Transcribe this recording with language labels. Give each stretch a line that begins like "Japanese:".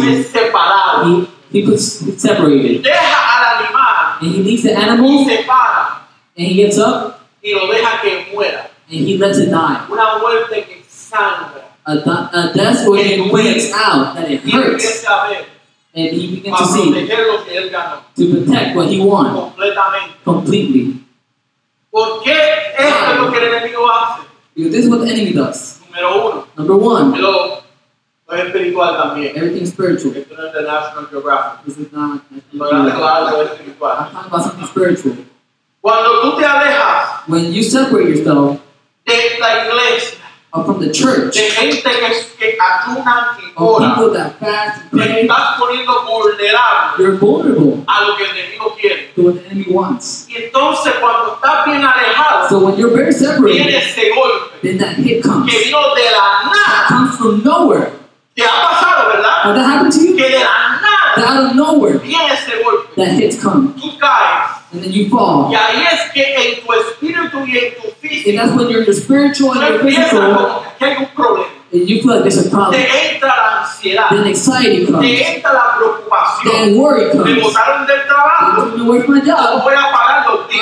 Spanish: Te puedes separar.
English: He puts separated.
Spanish: Deja al animal.
English: And he leaves the animal.
Spanish: Y se para.
English: And he gets up.
Spanish: Y lo deja que muera.
English: And he lets it die.
Spanish: Una muerte que sangra.
English: A death where he bleeds out that it hurts.
Spanish: Y empieza a ver.
English: And he begins to see.
Spanish: Para proteger lo que él ganó.
English: To protect what he won.
Spanish: Completamente.
English: Completely.
Spanish: ¿Por qué esto es lo que el enemigo hace?
English: Because this is what the enemy does.
Spanish: Número uno.
English: Number one.
Spanish: Pero espiritual también.
English: Everything spiritual.
Spanish: Esto no es de National Geographic.
English: This is not.
Spanish: Pero claro,
English: espiritual. Spiritual.
Spanish: Cuando tú te alejas.
English: When you separate yourself.
Spanish: De la iglesia.
English: Or from the church.
Spanish: De gente que ayunan y oran.
English: Of people that fast and pray.
Spanish: Te estás poniendo vulnerable.
English: You're vulnerable.
Spanish: A lo que el enemigo quiere.
English: To what the enemy wants.
Spanish: Y entonces cuando estás bien alejado.
English: So when you're very separated.
Spanish: Viene ese golpe.
English: Then that hit comes.
Spanish: Que vino de la nada.
English: That comes from nowhere.
Spanish: Te ha pasado, ¿verdad?
English: Has that happened to you?
Spanish: Que de la nada.
English: That out of nowhere.
Spanish: Viene ese golpe.
English: That hits come.
Spanish: Tú caes.
English: And then you fall.
Spanish: Y ahí es que en tu espíritu y en tu físico.
English: And that's when you're in your spiritual and your physical.
Spanish: Que hay un problema.
English: And you feel like there's a problem.
Spanish: Te entra la ansiedad.
English: Then anxiety comes.
Spanish: Te entra la preocupación.
English: Then worry comes.
Spanish: Me botaron del trabajo.
English: I'm going to work my job.
Spanish: ¿Cómo voy a pagar los días?